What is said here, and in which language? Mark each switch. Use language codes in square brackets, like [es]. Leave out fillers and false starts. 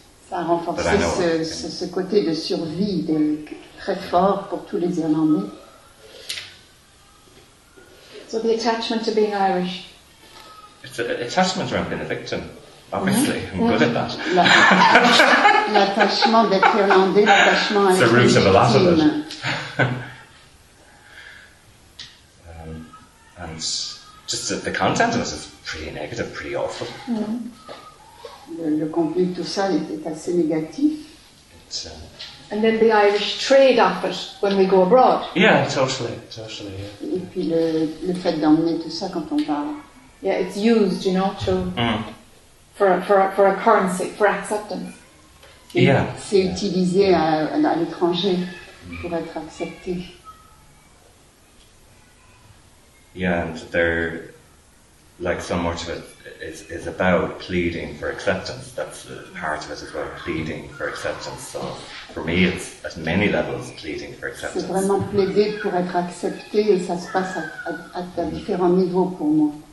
[fr] ça a renforcé ce côté de survie très fort pour tous les Irlandais. [en] So the attachment to being Irish. It's an attachment around being a victim, obviously. Mm-hmm. I'm good at that. [fr] L'attachement d'être Irlandais, l'attachement à [en] the root of a lot of it. just the content of it is pretty negative, pretty awful. [fr] Le contenu de tout ça était assez négatif. [en] And then the Irish trade off it when we go abroad. Yeah, totally, yeah. [fr] Et puis le fait d'emmener tout ça quand on parle. [en] Yeah, it's used, you know, to for a currency, for acceptance. Yeah. [fr] C'est utilisé à l'étranger pour être accepté. [en] Yeah, and there, like so much of it, is about pleading for acceptance. That's the part of it, is about pleading for acceptance. So for me, it's at many levels pleading for acceptance. [fr] C'est vraiment plaider pour être accepté, et ça se passe à différents niveaux pour moi.